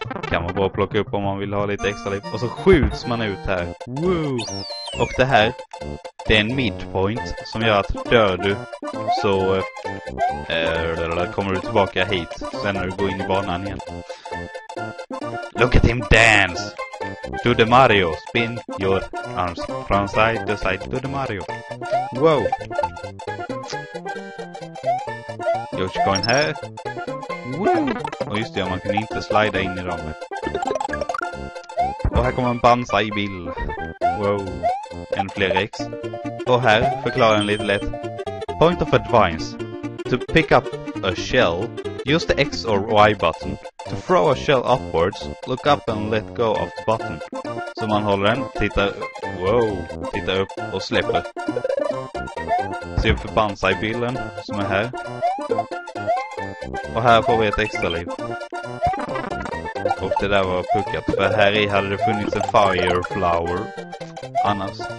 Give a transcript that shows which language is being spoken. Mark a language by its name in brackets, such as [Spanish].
[Swedish] Kan man bara plocka upp om man vill ha lite extra liv. Och så skjuts man ut här. Woo! Och det här, det är en midpoint som gör att dör du så kommer du tillbaka hit. Sen när du går in i banan igen. [English] Look at him dance! To the Mario! Spin your arms from side to side to the Mario. Wow! [Swedish] Yoshi coin här. Woo! Och just det, man kunde inte slida in i dem. Och här kommer en Banzai-bil. Wow. En fler X. Och här förklarar en lite lätt. [English] Point of advice. To pick up a shell, use the X or Y button. To throw a shell upwards, look up and let go of the button. [Swedish] Så man håller den, tittar, wow, tittar upp och släpper. Se för Banzai-bilen som är här. Och här får vi ett extra liv. Och det där var puckat. För här i hade det funnits en fire flower. Annars.